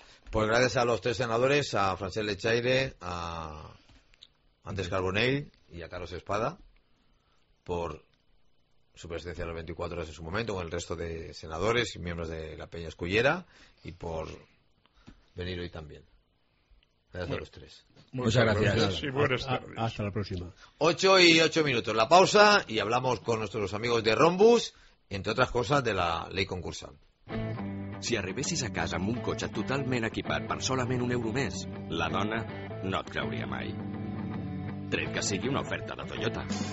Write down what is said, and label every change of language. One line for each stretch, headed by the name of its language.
Spanish: Pues gracias a los tres senadores, a Francesc Lechaire, a Andrés Carbonell y a Carlos Espada, por su presencia a las 24 horas en su momento, con el resto de senadores y miembros de la Peña Escullera, y por venir hoy también. Gracias a los tres. Muchas gracias. Y hasta la próxima. 8:08, la pausa, y hablamos con nuestros amigos de Rombus, entre otras cosas, de la ley concursal.
Catalan: Si arribessis a casa amb un cotxe totalment equipat per solament un euro més, la dona no et creuria mai. Tret que sigui una oferta de Toyota.